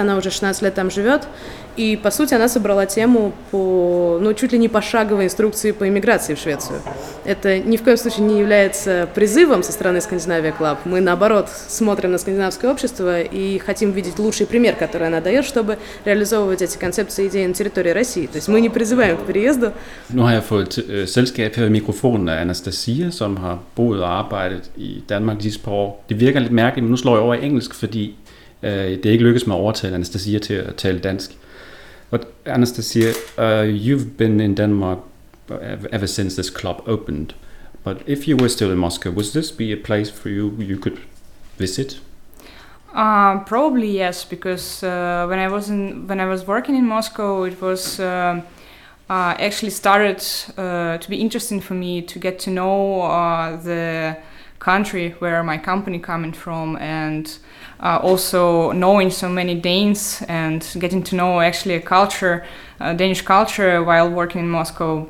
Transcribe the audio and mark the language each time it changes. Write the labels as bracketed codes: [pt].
[ru] Она уже 16 лет там живет. И, по сути, она собрала тему по, ну, чуть ли не пошаговой инструкции по иммиграции в Швецию. Это ни в коем случае не является призывом со стороны Scandinavia Club. Мы, наоборот, смотрим на скандинавское общество и хотим видеть лучший пример, который она дает, чтобы реализовывать эти концепции и идеи на территории России. То есть мы не призываем к переезду. Ну, я получил сельское микрофон от Анастасии, [da] som har boet og arbejdet i Danmark de sidste par år. Det virker lidt mærkeligt, men nu slår jeg over i engelsk, fordi det er ikke lykkedes mig at overtale Anastasia til at tale dansk. [en] But Anastasia, you've been in Denmark ever since this club opened. But if you were still in Moscow, would this be a place for you you could visit? Probably yes, because when I was working in Moscow, it was actually started to be interesting for me to get to know the country where my company coming from, and also knowing so many Danes and getting to know actually a culture, Danish culture, while working in Moscow.